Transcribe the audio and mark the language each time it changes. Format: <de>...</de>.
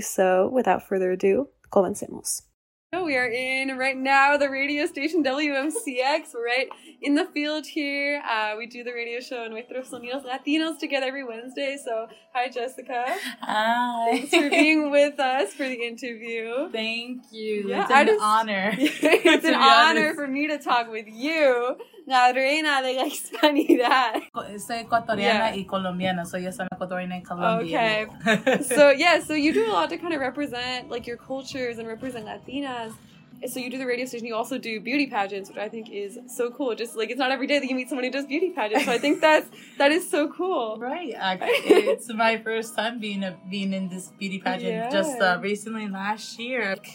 <en>So without further ado,</en> <es>comencemos.</es> <en>We are in right now the radio station WMCX, right in the field here. We do the radio show Nuestros Sonidos Latinos together every Wednesday. So, hi, Jessica. Hi. Thanks for being with us for the interview. Thank you. Yeah, it's an honor. It's an honor for me to talk with you.</en> <es>La reina de la hispanidad. Soy ecuatoriana y colombiana, so yo soy ecuatoriana y colombiana.</es> <en>Okay. So, yeah, so you do a lot to kind of represent, like, your cultures and represent Latinas. So you do the radio station, you also do beauty pageants, which I think is so cool. Just, like, it's not every day that you meet someone who does beauty pageants, so I think that is so cool. Right. It's my first time being in this beauty pageant just recently last year.</en>